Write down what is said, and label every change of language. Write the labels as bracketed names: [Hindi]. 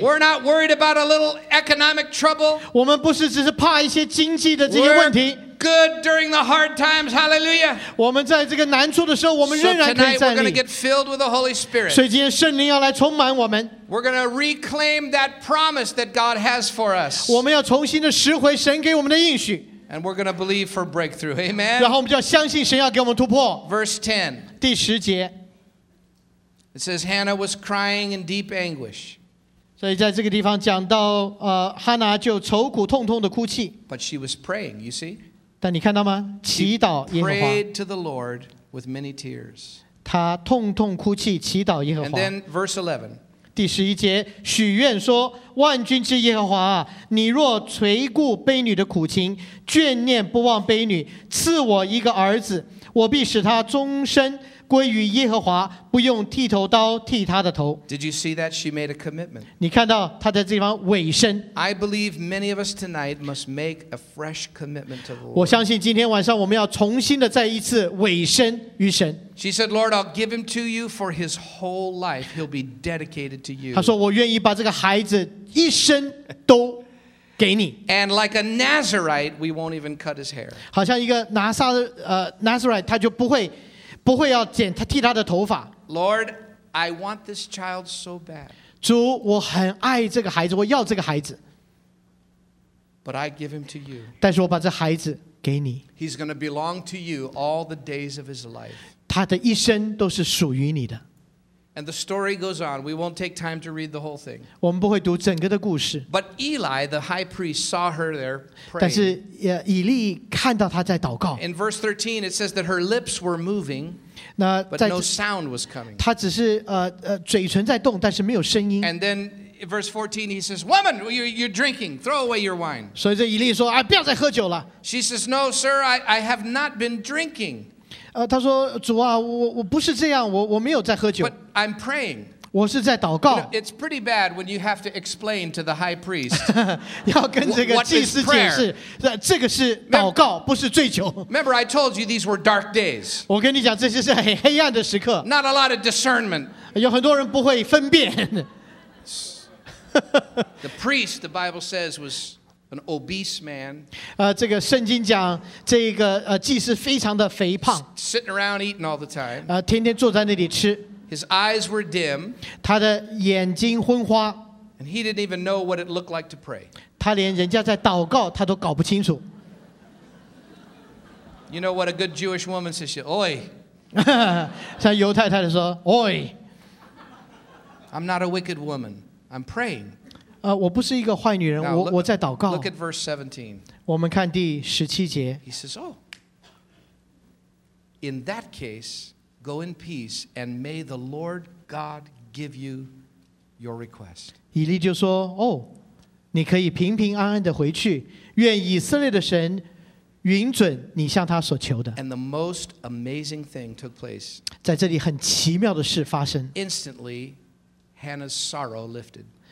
[English] We're not worried about a little economic trouble. [Chinese] 我们不是只是怕一些经济的这些问题。 [English] Good during the hard times, hallelujah. [Chinese] 我们在这个难处的时候，我们仍然可以站立。 [English] So tonight we're going to get filled with the Holy Spirit. [Chinese] 所以今天圣灵要来充满我们。 [English] We're going to reclaim that promise that God has for us. [Chinese] 我们要重新的拾回神给我们的应许。 [English] And we're going to believe for breakthrough, amen. [Chinese] 然后我们就要相信神要给我们突破。 [English] Verse 10. [Chinese] 第十节。 [English] It says Hannah was crying in deep anguish. [Chinese] 所以在这个地方讲到，哈拿就愁苦痛痛的哭泣。 [English] But she was praying, you see. [Chinese] 但你看到吗？祈祷耶和华。 [English] Prayed to the Lord with many tears. [Chinese] 他痛痛哭泣，祈祷耶和华。 [English] And then verse 11. [Chinese] 第十一节，许愿说：“万军之耶和华啊，你若垂顾卑女的苦情，眷念不忘卑女，赐我一个儿子，我必使他终身归于耶和华，不用剃头刀剃他的头。” [English] Did you see that she made a commitment? [Chinese] 你看到她在这地方委身。 [English] I believe many of us tonight must make a fresh commitment to the Lord. [Chinese] 我相信今天晚上我们要重新的再一次委身于神。 [English] She said, "Lord, I'll give him to you for his whole life. He'll be dedicated to you." [Chinese] 她说：“我愿意把这个孩子一生都给你。 [English] And like a Nazarite, we won't even cut his hair. [Chinese] 好像一个拿撒勒Nazarite, 他就不会要剪他剃他的头发。 [English] Lord, I want this child so bad. [Chinese] 主，我很爱这个孩子，我要这个孩子。 [English] But I give him to you. [Chinese] 但是我把这孩子给你。 [English] He's going to belong to you all the days of his life. [Chinese] 他的一生都是属于你的。 [English] And the story goes on. We won't take time to read the whole thing. [Chinese] 我们不会读整个的故事。 [English] But Eli, the high priest, saw her there praying. [Chinese] 但是以利看到她在祷告。 [English] In verse 13, it says that her lips were moving, but no sound was coming. [Chinese] 她只是嘴唇在动，但是没有声音。 [English] And then verse 14, he says, "Woman, you're drinking. Throw away your wine." [Chinese] 所以这以利说啊，不要再喝酒了。 [English] She says, "No, sir, I have not been drinking." [Chinese] 他说主啊，我不是这样，我没有在喝酒。 [English] But I'm praying. [Chinese] 我是在祷告。 [English] It's pretty bad when you have to explain to the high priest. [Chinese] 要跟这个祭司解释，这个是祷告，不是醉酒。 [English] Remember, I told you these were dark days. [Chinese] 我跟你讲，这些是很黑暗的时刻。 [English] Not a lot of discernment. [Chinese] 有很多人不会分辨。 [English] The priest, the Bible says, was an obese man. [Chinese] 这个圣经讲这个祭司非常的肥胖。 [English] Sitting around eating all the time. [Chinese] 天天坐在那里吃。 [English] His eyes were dim. [Chinese] 他的眼睛昏花。 [English] And he didn't even know what it looked like to pray. [Chinese] 他连人家在祷告他都搞不清楚。 [English] You know what a good Jewish woman says? Oi. [Chinese] 像犹太太说 Oi. [English] I'm not a wicked woman. I'm praying. [Chinese] 我不是一个坏女人，我在祷告。 [English] Look at verse 17. [Chinese] 我们看第十七节。 [English] He says, "Oh, in that case, go in peace, and may the Lord God give you your request." [Chinese] 以利就说，哦，你可以平平安安的回去，愿以色列的神允准你向他所求的。 [English] And the most amazing thing took place. [Chinese] 在这里很奇妙的事发生。 [English] Instantly. Hannah's sorrow lifted.